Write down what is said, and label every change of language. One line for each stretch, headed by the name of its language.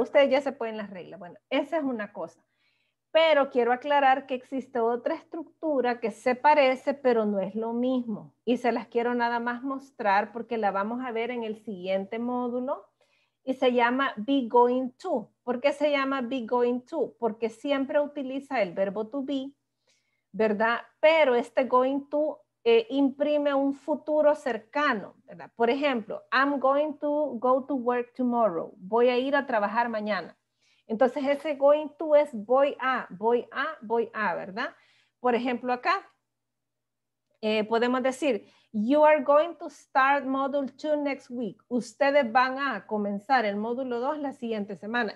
Spanish: Ustedes ya se pueden las reglas. Bueno, esa es una cosa. Pero quiero aclarar que existe otra estructura que se parece, pero no es lo mismo. Y se las quiero nada más mostrar porque la vamos a ver en el siguiente módulo. Y se llama be going to. ¿Por qué se llama be going to? Porque siempre utiliza el verbo to be, ¿verdad? Pero este going to imprime un futuro cercano, ¿verdad? Por ejemplo,
English: I'm going to go to work tomorrow.
Spanish: Voy a ir a trabajar mañana. Entonces, ese going to es voy a, ¿verdad? Por ejemplo, acá podemos decir,
English: you are going to start module 2 next week.
Spanish: Ustedes van a comenzar el módulo 2 la siguiente semana.